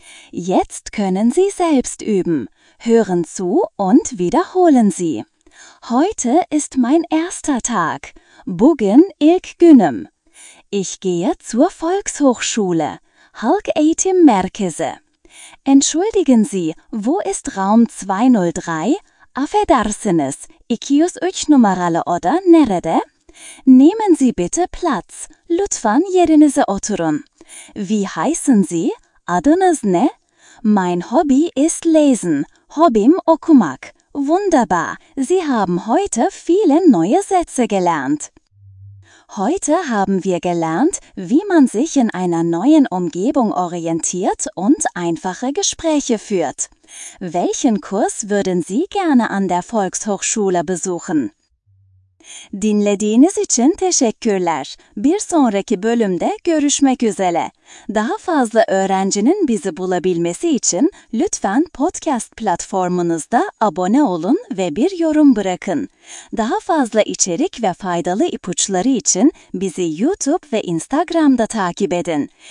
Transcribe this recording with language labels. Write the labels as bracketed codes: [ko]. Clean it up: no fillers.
[de] Jetzt können Sie selbst üben. Hören zu und wiederholen Sie. Heute ist mein erster Tag. [tr] Bugün ilk günüm. [de] Ich gehe zur Volkshochschule. [tr] Halk Eğitim Merkezi. [de] Entschuldigen Sie, wo ist Raum 203? [tr] Affedersiniz, 203 numaralı oda nerede? [de] Nehmen Sie bitte Platz. [tr] Lütfen yerinize oturun. [de] Wie heißen Sie? [tr] Adınız ne? [de] Mein Hobby ist Lesen. [tr] Hobim okumak. [de] Wunderbar, Sie haben heute viele neue Sätze gelernt. Heute haben wir gelernt, wie man sich in einer neuen Umgebung orientiert und einfache Gespräche führt. Welchen Kurs würden Sie gerne an der Volkshochschule besuchen? [tr] Dinlediğiniz için teşekkürler. Bir sonraki bölümde görüşmek üzere. Daha fazla öğrencinin bizi bulabilmesi için lütfen podcast platformunuzda abone olun ve bir yorum bırakın. Daha fazla içerik ve faydalı ipuçları için bizi YouTube ve Instagram'da takip edin.